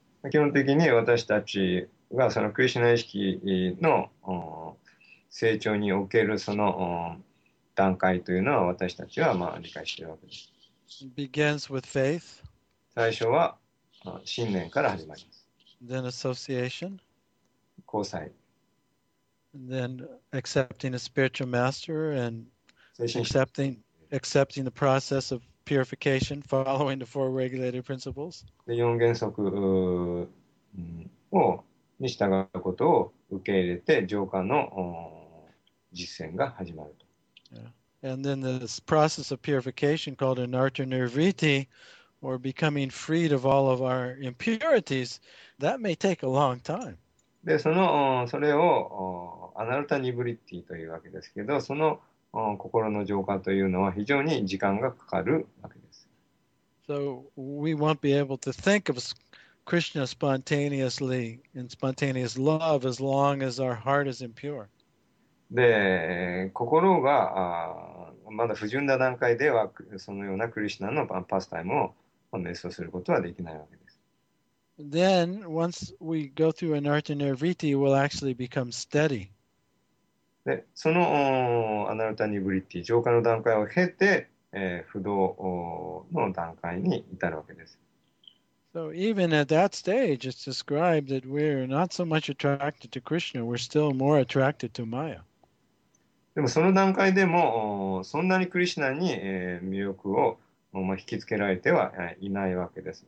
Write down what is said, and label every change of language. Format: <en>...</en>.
<ja>基本的に私たちがそのクリシナ意識の成長におけるその段階というのは私たちはまあ理解しているわけです。</ja> <en>Begins with faith.</en> <ja>最初は信念から始まります。</ja> <en>Then association.</en> <ja>交際。</ja> <en>Then accepting a spiritual master and accepting. Accepting the process of purification, following the four regulated principles.</en> <ja>で、四原則をに従うことを受け入れて、浄化の実践が始まると。</ja> <en>Yeah. And then this process of purification called anartha nirvriti, or becoming freed of all of our impurities, that may take a long time.</en> <ja>で、それをアナルタニブリティというわけですけど、その心の浄化というのは非常に時間がかかるわけです。</ja> <en>So we won't be able to think of Krishna spontaneously in spontaneous love as long as our heart is impure.</en> <ja>で、心がまだ不純な段階ではそのようなクリシナのパスタイムを瞑想することはできないわけです。</ja> <en>Then once we go through anartha nirvriti, we'll actually become steady.</en> <ja>でそのアナルタニブリッティ浄化の段階を経て、不動の段階に至るわけです。</ja> <en>So even at that stage, it's described that we're not so much attracted to Krishna, we're still more attracted to Maya.</en> <ja>でもその段階でもそんなにクリシナに、魅力を、引きつけられてはいないわけです。</ja>